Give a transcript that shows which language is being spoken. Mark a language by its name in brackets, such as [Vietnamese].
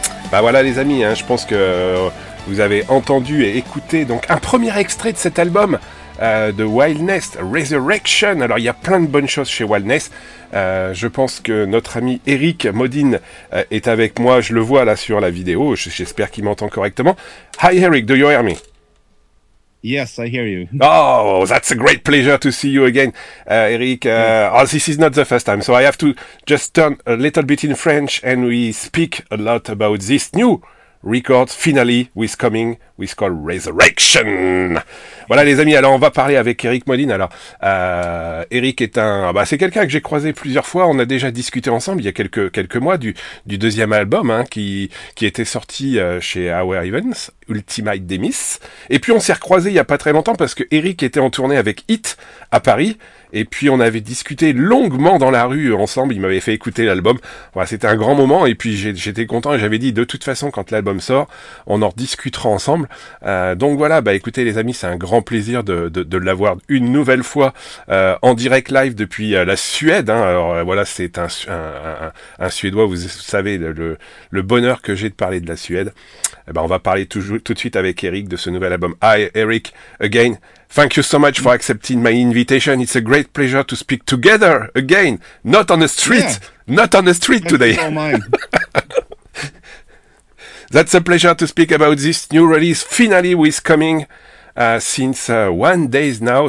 [French] Bah voilà les amis, hein, je pense que vous avez entendu et écouté donc un premier extrait de cet album de Wildness, Resurrection. Alors il y a plein de bonnes choses chez Wildness. Je pense que notre ami Eric Modine est avec moi, je le vois là sur la vidéo, j'espère qu'il m'entend correctement. [English] Hi Eric, do you hear me? Yes, I hear you. Oh, that's a great pleasure to see you again, Eric. Oh, this is not the first time, so I have to just turn a little bit in French, and we speak a lot about this new record, finally, with coming, with called Resurrection. [French] Voilà, les amis. Alors, on va parler avec Eric Modine. Alors, Eric est un, bah, c'est quelqu'un que j'ai croisé plusieurs fois. On a déjà discuté ensemble il y a quelques mois du deuxième album, hein, qui était sorti chez Our Events, Ultimate Demis. Et puis, on s'est recroisé il y a pas très longtemps parce que Eric était en tournée avec Hit à Paris. Et puis, on avait discuté longuement dans la rue ensemble. Il m'avait fait écouter l'album. Voilà, c'était un grand moment. Et puis, j'étais content. Et j'avais dit, de toute façon, quand l'album sort, on en discutera ensemble. Donc voilà, bah, écoutez, les amis, c'est un grand plaisir de l'avoir une nouvelle fois en direct live depuis la Suède. Hein. Alors voilà, c'est un Suédois. Vous savez, le bonheur que j'ai de parler de la Suède. Et bah, on va parler tout de suite avec Eric de ce nouvel album. [English] Hi, Eric, again. Thank you so much for accepting my invitation. It's a great pleasure to speak together again. Not on the street. Yeah. Not on the street thank today. That's a pleasure to speak about this new release. Finally, with coming since 1 day now.